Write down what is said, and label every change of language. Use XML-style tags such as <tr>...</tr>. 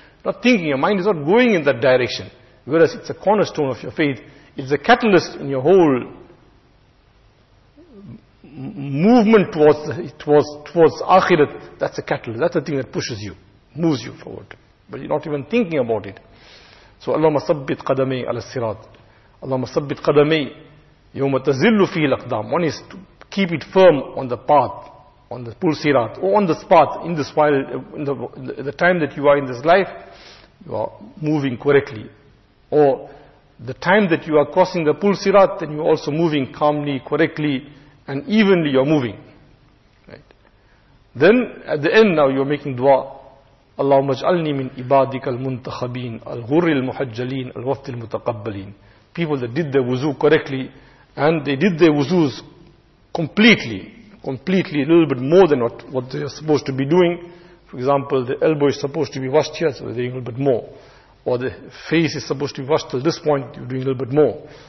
<en>Not thinking, your mind is not going in that direction. Whereas it's a cornerstone of your faith. It's a catalyst in your whole movement towards akhirat. That's a catalyst. That's the thing that pushes you, moves you forward. But you're not even thinking about it.</en> <ar>So اللهم ثبت قدمي على الصراط. اللهم ثبت قدمي يوم تزل فيه الأقدام.</ar> <en>One is to keep it firm on the path, on the pool sirat, or on this path in this while, in the time that you are in this life, you are moving correctly. Or the time that you are crossing the pool sirat, then you are also moving calmly, correctly, and evenly you are moving. Right. Then at the end now you are making dua.</en> <ar>اللهم اجعلني من عبادك المنتخبين الغر المحجلين الوفد المتقبلين.</ar> <en>People that did their wuzu correctly, and they did their wuzus completely, a little bit more than what they are supposed to be doing. For example, the elbow is supposed to be washed here, so they are doing a little bit more. Or the face is supposed to be washed till this point, you are doing a little bit more.</en>